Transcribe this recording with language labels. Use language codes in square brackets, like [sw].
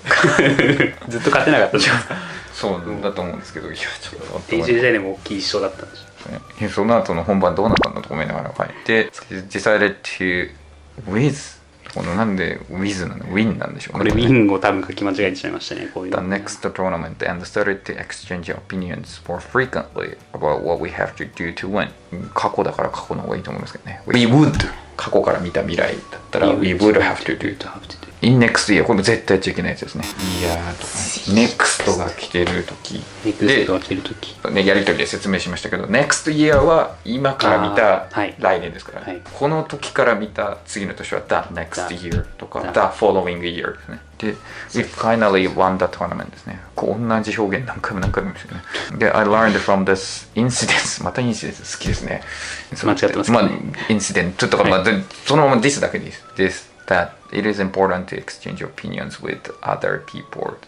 [ja] ずっと勝てなかったじゃん。そうだと思うんですけど、いやちょっと練習試合でも大きい一勝だったんでしょ。その後の本番どうなったんだと思いながら書いて、 [en] decided to with [ja] このなんで Wiz なの Win なんでしょうか、ね、これ Win を多分書き間違えちゃいましたね、こういうの。 [en] The next tournament and started to exchange opinions more frequently about what we have to do to win. [ja] 過去だから過去の方がいいと思いますけどね。 [en] We would [ja] 過去から見た未来だったら [en] We would have to do to have to do in next year、 [ja] これ絶対やっちゃいけないやつですね。いやーと NEXT が来てる時、 NEXT が来てる時、ね、やりとりで説明しましたけど、 NEXT year は今から見た来年ですから、ね、はい、この時から見た次の年は [en] The next year [ja] とか [en] The following year [ja] ですね。 [en] で、We finally won the tournament ですね。 [ja] こう同じ表現何回も何回も見ましたね。 [en] で、I learned from this incident. [ja] またインシデンス好きですね。間違ってますかね。インシデントとか、はい、まあ、そのまま This だけでいいです。 [en] This, that it is important to exchange opinions with other people.